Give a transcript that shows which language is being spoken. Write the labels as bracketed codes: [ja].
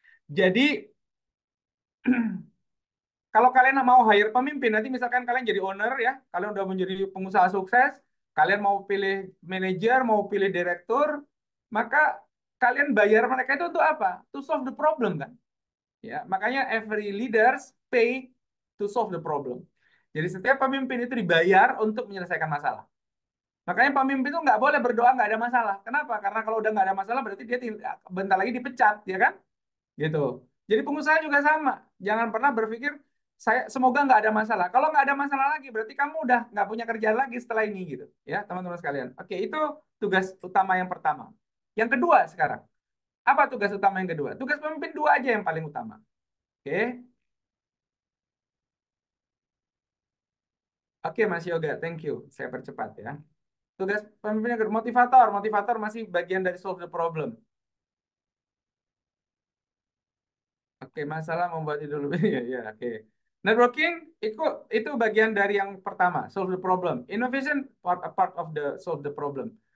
[id] Jadi, kalau kalian mau hire pemimpin, nanti misalkan kalian jadi owner ya, kalian udah menjadi pengusaha sukses, kalian mau pilih manajer, mau pilih direktur, maka kalian bayar mereka itu untuk apa? [en] To solve the problem kan? [id] Ya, makanya [en] every leaders pay to solve the problem. [id] Jadi setiap pemimpin itu dibayar untuk menyelesaikan masalah. Makanya pemimpin itu nggak boleh berdoa nggak ada masalah. Kenapa? Karena kalau udah nggak ada masalah berarti dia bentar lagi dipecat, ya kan? Gitu. Jadi pengusaha juga sama. Jangan pernah berpikir saya semoga nggak ada masalah. Kalau nggak ada masalah lagi berarti kamu udah nggak punya kerjaan lagi setelah ini, gitu. Ya, teman-teman sekalian. Oke, itu tugas utama yang pertama. Yang kedua sekarang. Apa tugas utama yang kedua? Tugas pemimpin dua aja yang paling utama. Oke. Okay. Oke, okay, Mas Yoga. [en] Thank you. [id] Saya percepat ya. Tugas pemimpin motivator, motivator masih bagian dari solve the problem. Oke, masalah membuat itu lebih ya, ya oke. Networking itu bagian dari yang pertama, solve the problem. [en] Innovation part of the solve the problem.